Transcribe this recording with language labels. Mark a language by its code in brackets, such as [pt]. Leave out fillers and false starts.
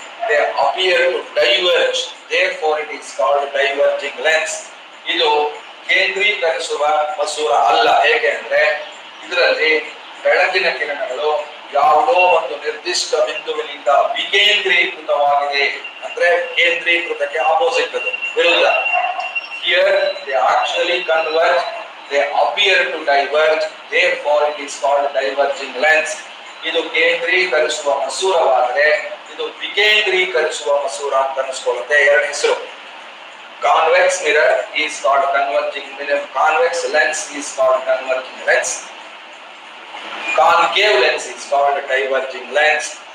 [en] They appear to diverge therefore it is called diverging lens. [kn] ಇದು ಕೇಂದ್ರೀಕರಿಸುವ ಮಸೂರ ಅಲ್ಲ. ಏಕೆ ಅಂದ್ರೆ ಇದರಲ್ಲಿ ಬೆಳಕಿನ ಕಿರಣಗಳು ಯಾವುದೋ ಒಂದು ನಿರ್ದಿಷ್ಟ ಬಿಂದುವಿನಿಂದ ವಿಕೇಂದ್ರೀಕೃತವಾಗಿದೆ, ಅಂದ್ರೆ ಕೇಂದ್ರೀಕೃತಕ್ಕೆ ಆಪೋಸಿಟ್. ಅದು ವಿರುದ್ಧ. [en] Here they actually converge they appear to diverge, therefore it is called diverging lens. [kn] ಇದು ಕೇಂದ್ರೀಕರಿಸುವ ಮಸೂರವಾದರೆ ಇದು ವಿಕೇಂದ್ರೀಕರಿಸುವ ಮಸೂರ ಅಂತ ಅನ್ನಿಸ್ಕೊಳ್ಳುತ್ತೆ. ಎರಡು ಹೆಸರು. [en] Convex mirror is called converging mirror, convex lens is called converging lens, concave lens is called diverging lens.